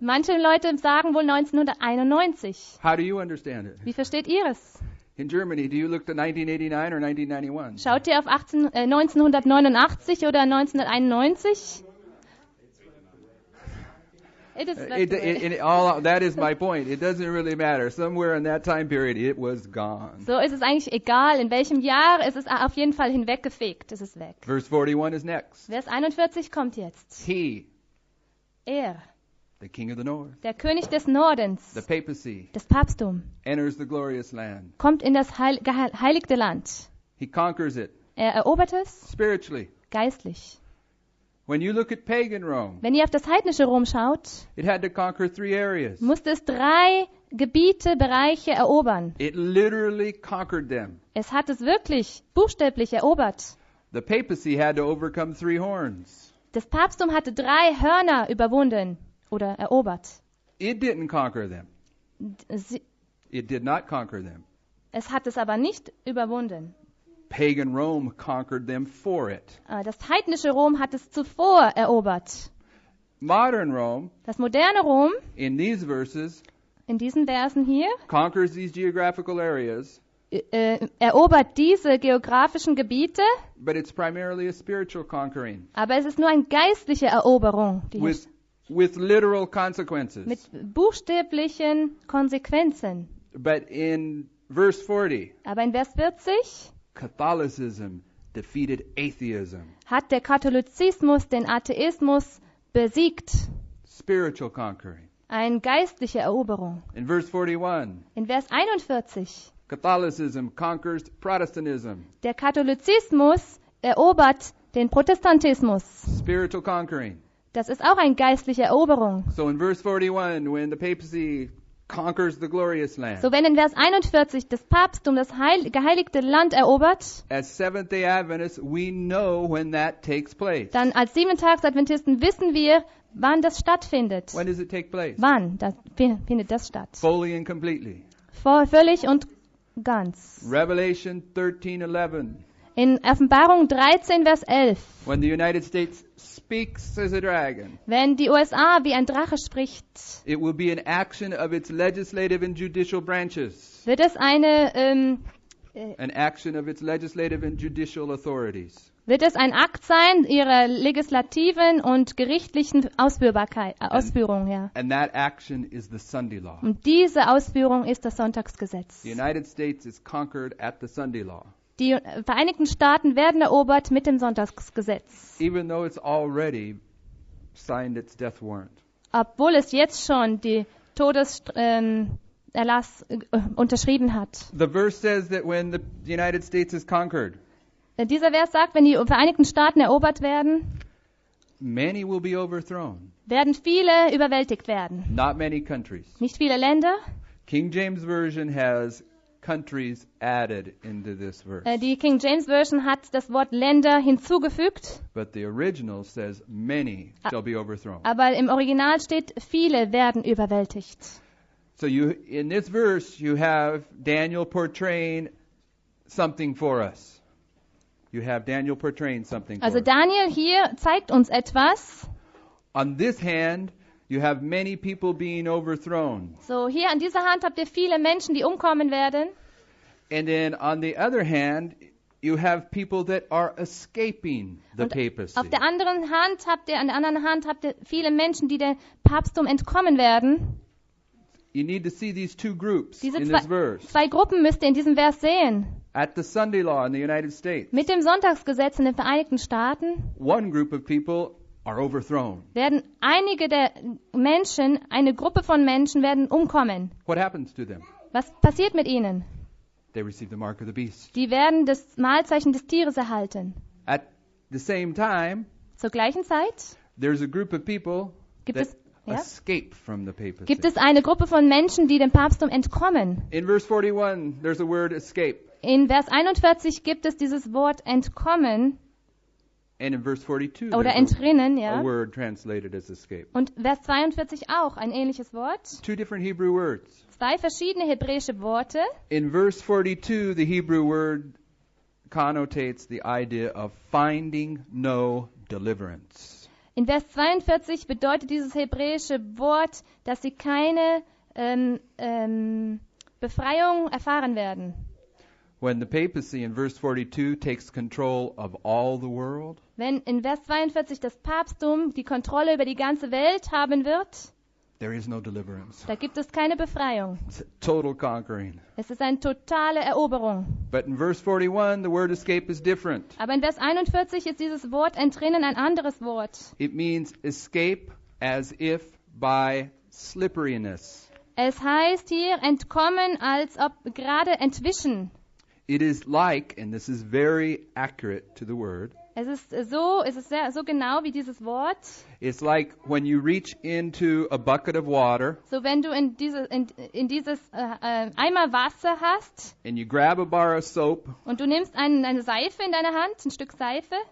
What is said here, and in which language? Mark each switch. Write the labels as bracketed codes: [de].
[de] Manche Leute sagen wohl 1991. [en] How do you understand it? [de] Wie versteht ihr es? [en] In Germany, do you look to 1989 or 1991? [de] Schaut ihr auf 1989 oder 1991? [en] That is my point. It doesn't really matter. Somewhere in that time period, it was gone. [de] So ist es eigentlich egal, in welchem Jahr. Es ist auf jeden Fall hinweggefegt. Es ist weg. [en] Verse 41 is next. [de] Vers 41 kommt jetzt. [en] He. [de] Er. [en] The king of the north. [de] Der König des Nordens. [en] The papacy. [de] Das Papsttum. [en] Enters the glorious land. [de] Kommt in das heiligte Land. [en] He conquers it. [de] Er erobert es. [en] Spiritually. [de] Geistlich. [en] When you look at pagan Rome, [de] wenn ihr auf das heidnische Rom schaut, [en] it had to conquer three areas. [de] Musste es drei Gebiete, Bereiche erobern. [en] It literally conquered them. [de] Es hat es wirklich buchstäblich erobert. [en] The papacy had to overcome three horns. [de] Das Papsttum hatte drei Hörner überwunden oder erobert. [en] It didn't conquer them. It did not conquer them. [de] Es hat es aber nicht überwunden. [en] Pagan Rome conquered them for it. [de] Das heidnische Rom hat es zuvor erobert. [en] Modern Rome, [de] das moderne Rom, [en] in these verses, [de] in diesen Versen hier, [en] conquers these geographical areas, [de] erobert diese geografischen Gebiete, [en] but it's primarily a spiritual conquering, [de] aber es ist nur eine geistliche Eroberung, [en] die with literal consequences, [de] mit buchstäblichen Konsequenzen. [en] But in verse 40, [de] aber in Vers 40, [en] Catholicism defeated atheism. [de] Hat der Katholizismus den Atheismus besiegt? [en] Spiritual conquering. [de] Eine geistliche Eroberung. [en] In verse 41. [de] In Vers 41. [en] Catholicism conquers Protestantism. [de] Der Katholizismus erobert den Protestantismus. [en] Spiritual conquering. [de] Das ist auch eine geistliche Eroberung. [en] So in verse 41, when the papacy conquers the glorious land. [de] So wenn in Vers 41 das Papsttum das geheiligte Land erobert, [en] as Seventh-day Adventists, we know when that takes place. [de] Dann als Siebentagsadventisten wissen wir, wann das stattfindet. [en] When does it take place? [de] Wann findet das statt? [en] Fully and completely. [de] Völlig und ganz. [en] Revelation 13:11. [de] In Offenbarung 13, Vers 11. [en] When the United States speaks as a dragon, [de] wenn die USA wie ein Drache spricht, [en] it will be an action of its legislative and judicial branches, [de] wird es eine [en] an action of its legislative and judicial authorities, [de] wird es ein Akt sein ihrer legislativen und gerichtlichen Ausführung, ja. [en] And that action is the Sunday law. [de] Und diese Ausführung ist das Sonntagsgesetz. [en] The United States is conquered at the Sunday law. [de] Die Vereinigten Staaten werden erobert mit dem Sonntagsgesetz. [en] Even though it's already signed its death warrant. [de] Obwohl es jetzt schon die Todeserlass unterschrieben hat. [en] The verse says that when the United States is conquered, [de] dieser Vers sagt, wenn die Vereinigten Staaten erobert werden, [en] many will be overthrown. [de] Werden viele überwältigt werden. [en] Not many countries. [de] Nicht viele Länder. [en] King James Version has countries added into this verse. [de] Die King James Version hat das Wort Länder hinzugefügt. [en] But the original says many shall be overthrown. [de] Aber im Original steht viele werden überwältigt. [en] So in this verse you have Daniel portraying something for us. You have Daniel portraying something [de] also [en] for Daniel [de] Also Daniel hier zeigt uns etwas. [en] On this hand you have many people being overthrown. [de] So hier an dieser Hand habt ihr viele Menschen, die umkommen werden. [en] And then on the other hand, you have people that are escaping the papacy. [de] Auf der anderen Hand habt ihr, an der anderen Hand habt ihr viele Menschen, die dem Papsttum entkommen werden. [en] You need to see these two groups [de] diese [en] in this verse. [de] Zwei Gruppen müsst ihr in diesem Vers sehen. [en] At the Sunday law in the United States. [de] Mit dem Sonntagsgesetz in den Vereinigten Staaten. [en] One group of people are overthrown. [de] Werden einige der Menschen, eine Gruppe von Menschen werden umkommen. [en] What happens to them? [de] Was passiert mit ihnen? [en] They receive the mark of the beast. [de] Die werden das Malzeichen des Tieres erhalten. [en] At the same time, [de] zur gleichen Zeit, [en] there's a group of people [de] gibt [en] that [de] es, [en] escape from the papacy. [de] Gibt es eine Gruppe von Menschen, die dem Papsttum entkommen? [en] In verse 41, there's a word escape. [de] In Vers 41 gibt es dieses Wort entkommen. [en] And in verse 42, [de] oder entrinnen, a, ja. [en] A word translated as escape. [de] Und Vers 42 auch, ein ähnliches Wort. [en] Two different Hebrew words. [de] Zwei verschiedene hebräische Worte. [en] In verse 42, the Hebrew word connotates the idea of finding no deliverance. [de] In Vers 42 bedeutet dieses hebräische Wort, dass sie keine Befreiung erfahren werden. [en] When the papacy in verse 42 takes control of all the world, [de] wenn in Vers 42 das Papsttum die Kontrolle über die ganze Welt haben wird, [en] There is no deliverance. [de] Da gibt es keine Befreiung. [en] It's a total conquering. [de] Es ist eine totale Eroberung. [en] But in verse 41, the word escape is different. [de] Aber in Vers 41 ist dieses Wort entrinnen ein anderes Wort. [en] It means escape as if by slipperiness. [de] Es heißt hier entkommen, als ob gerade entwischen. [en] It is like, and this is very accurate to the word. [de] Es ist so, es ist sehr, so genau wie dieses Wort. [en] It's like when you reach into a bucket of water. [de] So wenn du in dieses Eimer Wasser hast. [en] And you grab a bar of soap. [de] Und du nimmst eine Seife in deine Hand, ein Stück Seife.